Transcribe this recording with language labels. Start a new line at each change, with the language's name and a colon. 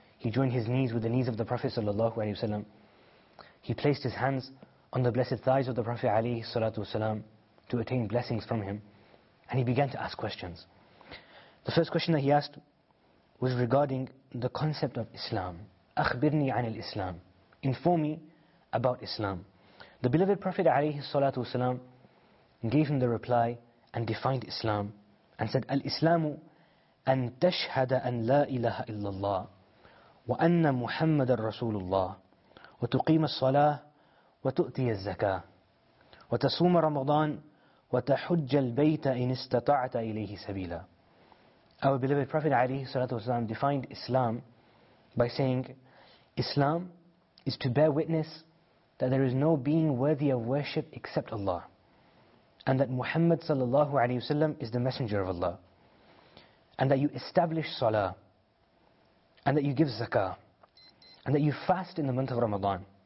English: He joined his knees with the knees of the Prophet sallallahu alayhi wasalam. He placed his hands on the blessed thighs of the Prophet alayhi salatu wasalam to attain blessings from him. And he began to ask questions. The first question that he asked was regarding the concept of Islam.
Arabic: أخبرني عن الإسلام.
English: Inform me about Islam. The beloved Prophet عليه الصلاة والسلام gave him the reply and defined Islam and said,
Arabic: الإسلام أن تشهد أن لا إله إلا الله وأن محمد رسول الله وتقيم الصلاة وتؤتي الزكاة وتصوم رمضان وتحج البيت إن استطعت إليه سبيلا.
English: Our beloved Prophet عليه الصلاة والسلام defined Islam by saying, Islam is to bear witness that there is no being worthy of worship except Allah, and that Muhammad sallallahu alayhi wasallam is the messenger of Allah, and that you establish salah, and that you give zakah, and that you fast in the month of Ramadan,